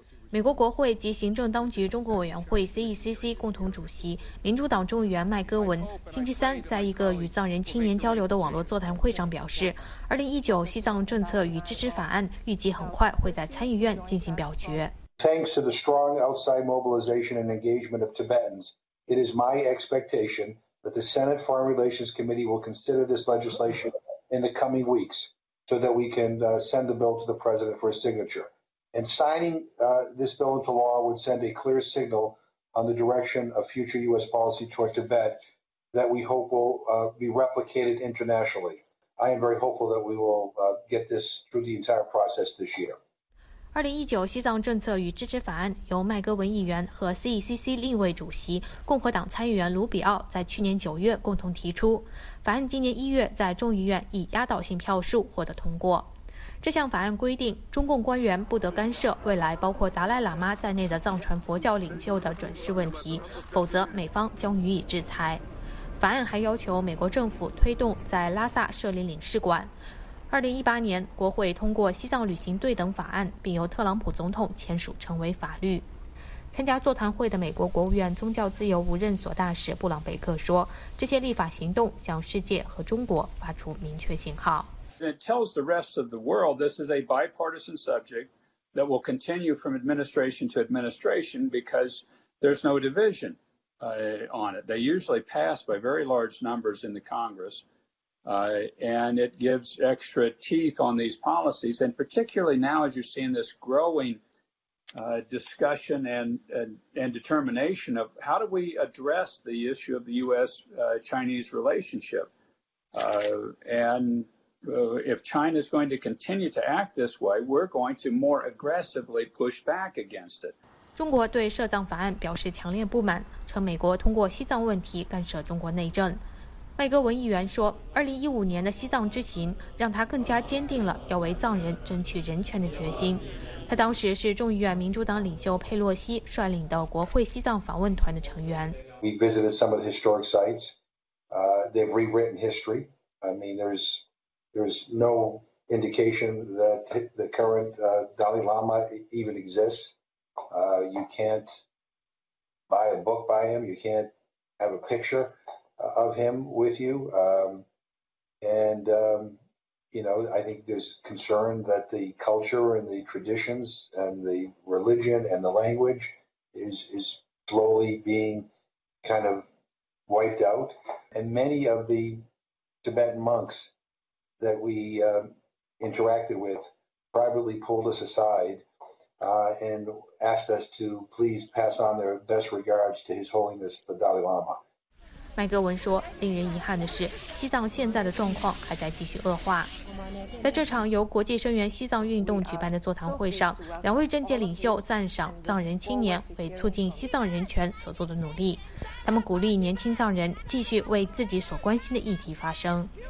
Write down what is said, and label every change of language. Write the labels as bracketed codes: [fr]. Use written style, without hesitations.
[zh] 美国国会及行政当局中国委员会 CECC 共同主席、民主党众议员麦戈文星期三在一个与藏人青年交流的网络座谈会上表示，2019西藏政策与支持法案预计很快会在参议院进行表决。 [en] Thanks to the strong outside mobilization and engagement of Tibetans, it is my expectation that the Senate Foreign Relations Committee will consider this legislation in the coming weeks so that we can send the bill to the president for a signature. And signing this bill into law would send a clear signal on the direction of future U.S. policy toward Tibet that we hope will be replicated internationally. I am very hopeful that we will get this through the entire process this year. [zh] 2019西藏政策与支持法案由麦戈文议员和 CECC 另一位主席共和党参议员卢比奥在去年九月共同提出，法案今年一月在众议院以压倒性票数获得通过。这项法案规定，中共官员不得干涉未来包括达赖喇嘛在内的藏传佛教领袖的转世问题，否则美方将予以制裁。法案还要求美国政府推动在拉萨设立领事馆。 2018年，国会通过《西藏旅行对等法案》，并由特朗普总统签署成为法律。参加座谈会的美国国务院宗教自由无任所大使布朗贝克说，这些立法行动向世界和中国发出明确信号。 [en] It tells the rest of the world this is a bipartisan subject that will continue from administration to administration because there's no division on it. They usually pass by very large numbers in the Congress, and it gives extra teeth on these policies. And particularly now, as you're seeing this growing discussion and determination of how do we address the issue of the U.S.-Chinese relationship, and... If China is going to continue to act this way, we're going to more aggressively push back against it. [zh] 中国对涉藏法案表示强烈不满，称美国通过西藏问题干涉中国内政。麦戈文议员说，2015年的西藏之行让他更加坚定了要为藏人争取人权的决心。他当时是众议院民主党领袖佩洛西率领的国会西藏访问团的成员。 [en] We visited some of the historic sites. They've rewritten history. I mean, There's no indication that the current Dalai Lama even exists. You can't buy a book by him. You can't have a picture of him with you. I think there's concern that the culture and the traditions and the religion and the language is slowly being kind of wiped out. And many of the Tibetan monks. That we interacted with privately pulled us aside and asked us to please pass on their best regards to His Holiness the Dalai Lama. [zh] 麦戈文说，令人遗憾的是，西藏现在的状况还在继续恶化。在这场由国际声援西藏运动举办的座谈会上，两位政界领袖赞赏藏人青年为促进西藏人权所做的努力，他们鼓励年轻藏人继续为自己所关心的议题发声。